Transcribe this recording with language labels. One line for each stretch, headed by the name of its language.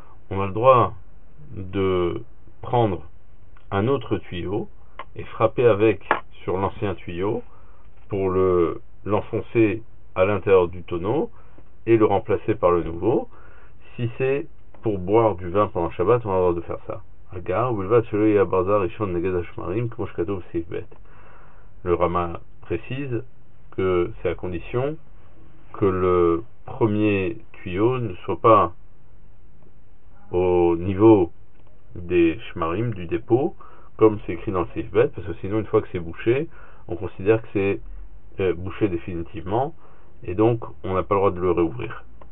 French: On a le droit de prendre un autre tuyau et frapper avec sur l'ancien tuyau pour l'enfoncer à l'intérieur du tonneau et le remplacer par le nouveau. Si c'est pour boire du vin pendant Shabbat, on a le droit de faire ça.
Hebrew: הגר, ובלבד שלא יהיה הברזל הראשון נגד השמרים, כמו שכתוב בסעיף ב'.
French: Le Rama précise que c'est à condition que le premier tuyau ne soit pas au niveau des shmarim, du dépôt, comme c'est écrit dans le Seif Bet, parce que sinon, une fois que c'est bouché, on considère que c'est bouché définitivement, et donc on n'a pas le droit de le réouvrir.